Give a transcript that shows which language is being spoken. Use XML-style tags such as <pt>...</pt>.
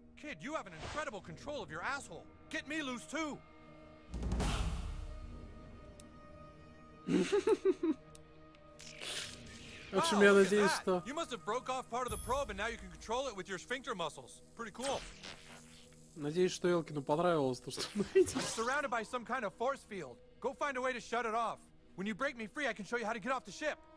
<en>Kid, you have an incredible control of your asshole. Get me loose too! Uh,</en> <ru>В общем, я надеюсь, что...</ru> <en>You must have broke off part of the probe, and now you can control it with your sphincter muscles. Pretty cool.</en> <ru>Надеюсь, что Элкину понравилось то, что мы видим.</ru> <en>I'm surrounded by some kind of force field. Go find a way to shut it off. When you break me free, I can show you how to get off the ship.</en>